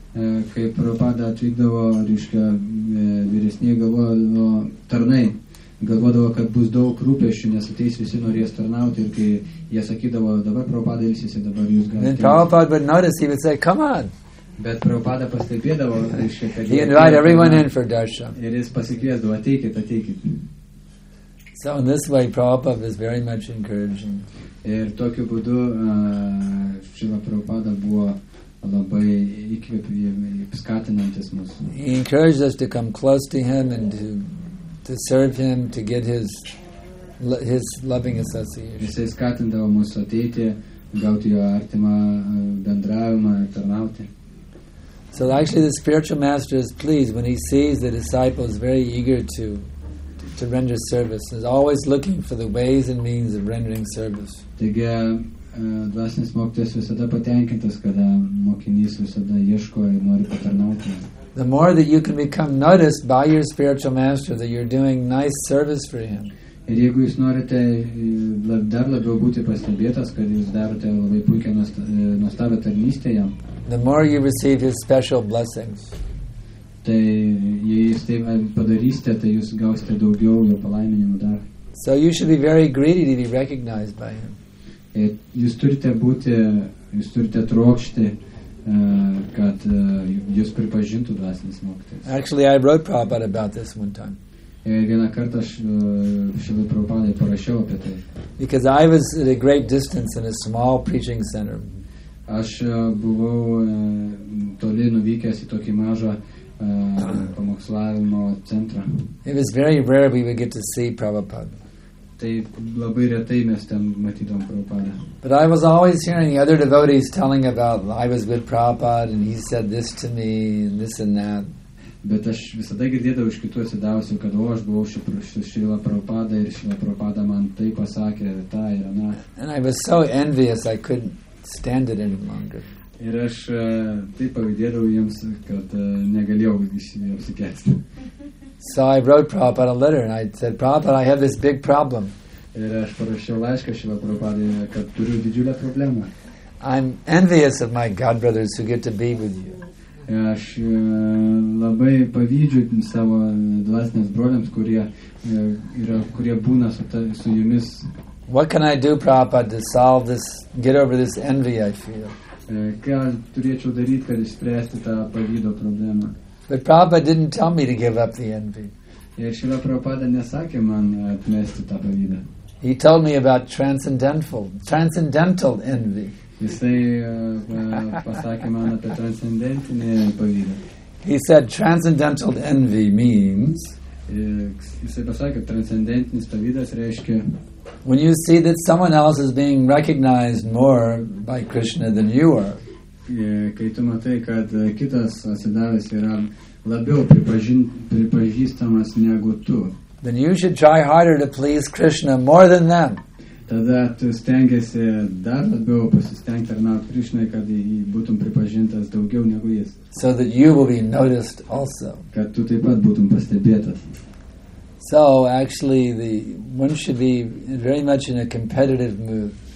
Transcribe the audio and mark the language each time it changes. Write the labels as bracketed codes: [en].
[lt] Kai Prabhupada atvykdavo, reiškia, vyresnėje galvojo tarnai. Galvodavo, kad bus daug rūpesčių, nes ateis visi norės tarnauti ir kai jie sakydavo, dabar Prabhupada ilsisi, dabar jūs galite. [en] Then Prabhupada would notice, he would say, come on. [lt] Bet Prabhupada pastebėdavo, kad [en] he invite everyone in for darshan. [lt] Ir jis pasikviesdavo, ateikit, ateikit. [en] So in this way, Prabhupada was very much encouraging. [lt] Ir tokiu būdu Šrila Prabhupada buvo labai skatinantis mus. [en] He encouraged us to come close to him and to serve him, to get his loving association. [lt] Jisai skatindavo mus ateiti, gauti jo artimą bendravimą ir tarnauti. [en] So actually the spiritual master is pleased when he sees the disciples very eager to render service. He's always looking for the ways and means of rendering service. [lt] Taigi, dvasinis mokytojas visada patenkintas, kada mokinys visada ieško ir nori patarnauti. [en] The more that you can become noticed by your spiritual master, that you're doing nice service for him. [lt] Ir jeigu jūs norite dar labiau būti pastebėtas, kad jūs darote labai puikią nuostabią tarnystę jam. [en] The more you receive his special blessings. [lt] Tai jei jūs tai padarysite, tai jūs gausite daugiau jo palaiminimų dar. [en] So you should be very greedy to be recognized by him. [lt] Jūs turite trokšti kad jūs pripažintų dvasinis mokytojas. [en] Actually, I wrote Prabhupada about this one time. [lt] Vieną kartą aš šiandien Prabhupadai parašiau apie tai. [en] Because I was at a great distance in a small preaching center. [lt] Aš buvau toli nuvykęs į tokį mažą pamokslavimo centrą. [en] It was very rare we would get to see Prabhupada. [lt] Tai labai retai mes ten matydom Prabhupada. [en] But I was always hearing the other devotees telling about I was with Prabhupada and he said this to me and this and that. [lt] Bet aš visada girdėdavau iš kitų atsidavusių, kad o, aš buvau Šrila Prabhupada ir Šrila Prabhupada man tai pasakė ir tą ir aną. [en] And I was so envious I couldn't stand it any longer. [lt] Ir aš taip pavydėdavau jiems, kad negalėjau apsikęsti. [en] So I wrote Prabhupada a letter and I said, Prabhupada, I have this big problem. [lt] Ir aš parašiau laišką Šrila Prabhupada, kad turiu didžiulę problemą. [en] I'm envious of my god brothers who get to be with you. [lt] Aš labai pavydžiu savo dvasinės broliams, kurie yra, kurie būna su jumis. [en] What can I do, Prabhupada, to solve this, get over this envy I feel? [lt] Ką turėčiau daryti, kad išspręsti tą pavydo problemą? [en] But Prabhupada didn't tell me to give up the envy. [lt] Ir Šrila Prabhupada nesakė man atmesti tą pavydą. [en] He told me about transcendental envy. [lt] Jisai pasakė man apie transcendentinį pavydą. [en] He said transcendental envy means... [lt] Jisai pasakė, transcendentinis pavydas reiškia... [en] When you see that someone else is being recognized more by Krishna than you are. [lt] Kai tu matai, kad kitas atsidavęs yra labiau pripažįstamas negu tu. [en] Then you should try harder to please Krishna more than them. [lt] Tada tu stengiasi dar labiau pasistengti tarnauti Krishnai, kad būtum pripažintas daugiau negu jis. [en] So that you will be noticed also. [lt] Kad tu taip pat būtum pastebėtas. [en] So actually the one should be very much in a competitive mood.